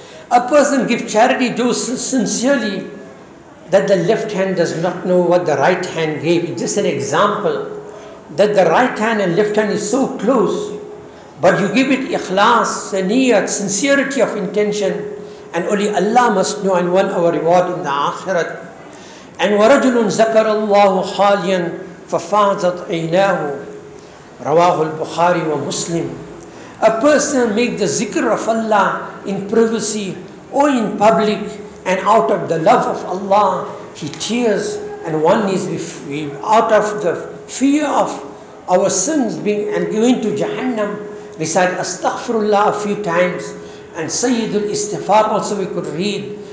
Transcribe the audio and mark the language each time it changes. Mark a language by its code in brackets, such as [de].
[en] A person gives charity just sincerely that the left hand does not know what the right hand gave. It's just an example that the right hand and left hand is so close, but you give it ikhlas, niyat, sincerity of intention, and only Allah must know and won our reward in the akhirat. And [ar] وَرَجُلٌ ذَكَرَ اللَّهُ خَالِيًا فَفَاضَتْ عَيْنَاهُ رواه البخاري ومسلم. [en] A person make the zikr of Allah in privacy or in public, and out of the love of Allah, he tears, and one is out of the fear of our sins being and going to Jahannam, recite Astaghfirullah a few times, and Sayyidul Istighfar also we could read.